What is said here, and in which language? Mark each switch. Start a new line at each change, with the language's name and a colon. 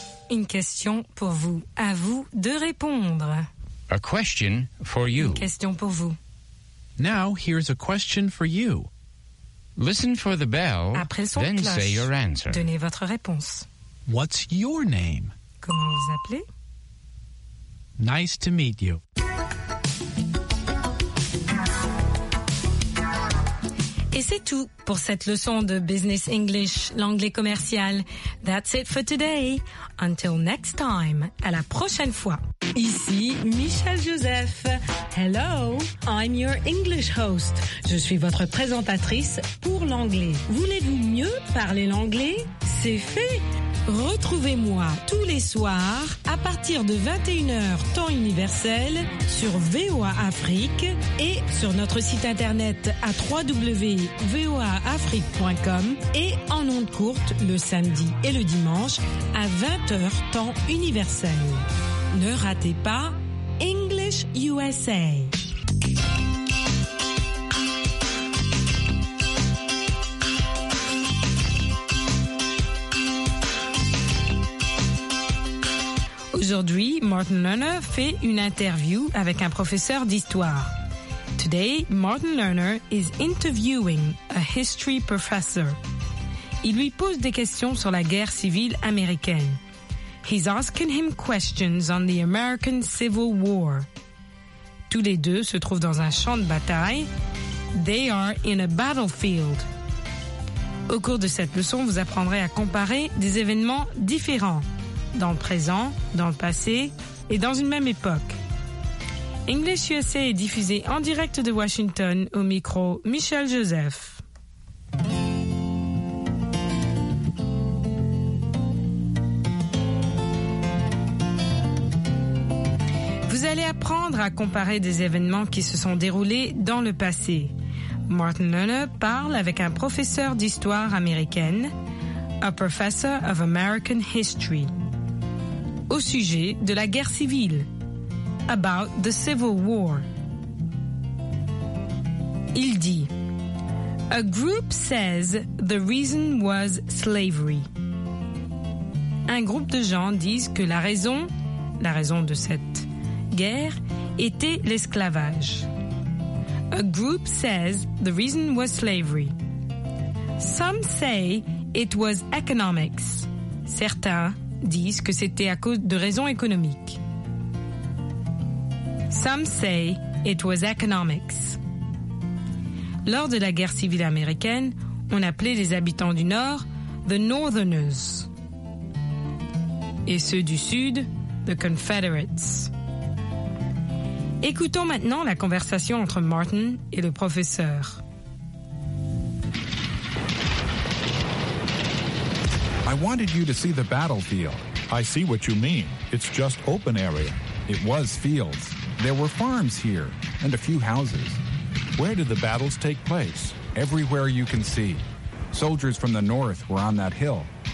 French: Une question pour vous. À vous de répondre.
English: A question for you.
French: Une question pour vous.
English: Now, here's a question for you. Listen for the bell,
French: après son
English: then
French: cloche,
English: say your answer.
French: Donnez votre réponse.
English: What's your name?
French: Comment vous appelez?
English: Nice to meet you.
French: Et c'est tout pour cette leçon de Business English, l'anglais commercial.
English: That's it for today. Until next time,
French: à la prochaine fois. Ici Michel Joseph.
English: Hello, I'm your English host.
French: Je suis votre présentatrice pour l'anglais. Voulez-vous mieux parler l'anglais? C'est fait! Retrouvez-moi tous les soirs à partir de 21h temps universel sur VOA Afrique et sur notre site internet à www.voaafrique.com et en ondes courtes le samedi et le dimanche à 20h temps universel. Ne ratez pas English USA. Aujourd'hui, Martin Lerner fait une interview avec un professeur d'histoire.
English: Today, Martin Lerner is interviewing a history professor.
French: Il lui pose des questions sur la guerre civile américaine.
English: He's asking him questions on the American Civil War.
French: Tous les deux se trouvent dans un champ de bataille.
English: They are in a battlefield.
French: Au cours de cette leçon, vous apprendrez à comparer des événements différents. Dans le présent, dans le passé et dans une même époque. English USA est diffusé en direct de Washington au micro Michel Joseph. Vous allez apprendre à comparer des événements qui se sont déroulés dans le passé. Martin Lerner parle avec un professeur d'histoire américaine,
English: a professor of American history.
French: Au sujet de la guerre civile.
English: About the Civil War.
French: Il dit:
English: A group says the reason was slavery.
French: Un groupe de gens disent que la raison de cette guerre était l'esclavage.
English: A group says the reason was slavery. Some say it was economics.
French: Certains disent que c'était à cause de raisons économiques.
English: Some say it was economics.
French: Lors de la guerre civile américaine, on appelait les habitants du Nord
English: the Northerners
French: et ceux du Sud
English: the Confederates.
French: Écoutons maintenant la conversation entre Martin et le professeur.
English: I wanted you to see the battlefield. I see what you mean. It's just open area. It was fields. There were farms here and a few houses. Where did the battles take place? Everywhere you can see. Soldiers from the north were on that hill.